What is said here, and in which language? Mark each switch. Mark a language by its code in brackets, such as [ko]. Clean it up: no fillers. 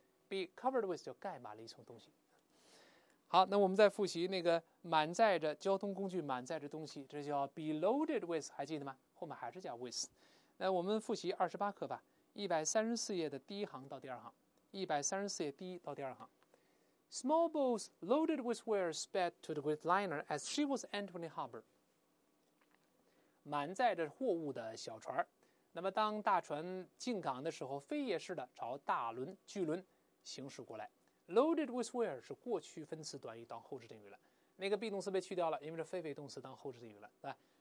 [zh] be covered with 就盖满了一层东西。好，那我们再复习那个满载着交通工具，满载着东西，这叫 be loaded with， 还记得吗？后面还是叫 with。那我们复习二十八课吧，134页的第一行到第二行，134页第一到第二行。 [en] small boats loaded with wares sped to the great liner as she was entering the harbor。 [zh] 满载着货物的小船，那么当大船进港的时候，飞也似的朝大轮巨轮行驶过来。 loaded with wares 是过去分词短语当后置定语了，那个 be 动词被去掉了，因为是非谓动词当后置定语了，对吧？